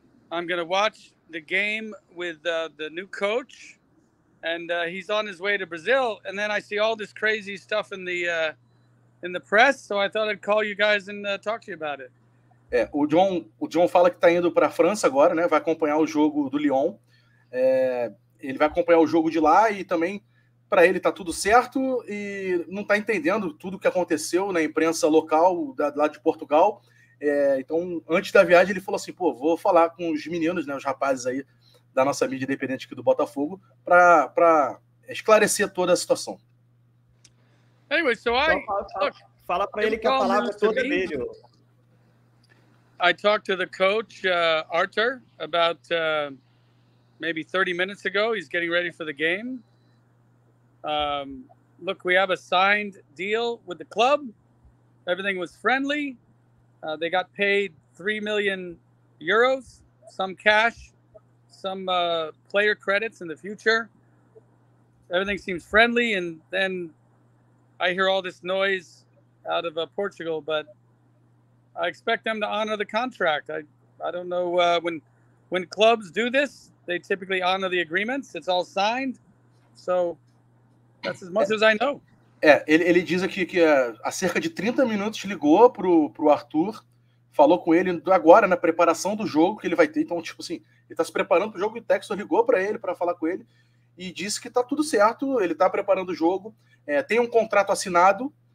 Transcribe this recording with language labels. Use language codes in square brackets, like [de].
[en] I'm going to watch the game with the new coach. And he's on his way to Brazil. And then I see all this crazy stuff in the press. So I thought I'd call you guys and talk to you about it. [pt] É, o John fala que está indo para a França agora, né? Vai acompanhar o jogo do Lyon. É, ele vai acompanhar o jogo de lá e também para ele está tudo certo e não está entendendo tudo o que aconteceu na imprensa local lá de Portugal. É, então, antes da viagem, ele falou assim, pô, vou falar com os meninos, né, os rapazes aí da nossa mídia independente aqui do Botafogo para esclarecer toda a situação. [en] Anyway, so [pt] fala para ele que a palavra toda é dele. [en] I talked to the coach, Arthur, about maybe 30 minutes ago. He's getting ready for the game. Look, we have a signed deal with the club. Everything was friendly. They got paid 3 million euros, some cash, some player credits in the future. Everything seems friendly. And then I hear all this noise out of Portugal, but I expect them to honor the contract. I don't know when clubs do this, they typically honor the agreements. It's all signed. So that's as much as I know. [pt] É, ele diz aqui que há cerca de 30 minutos ligou pro Arthur, falou com ele agora na preparação do jogo que ele vai ter. Então, tipo assim, ele tá se preparando pro jogo e o Textor ligou para ele para falar com ele e disse que tá tudo certo, ele tá preparando o jogo, tem um contrato assinado.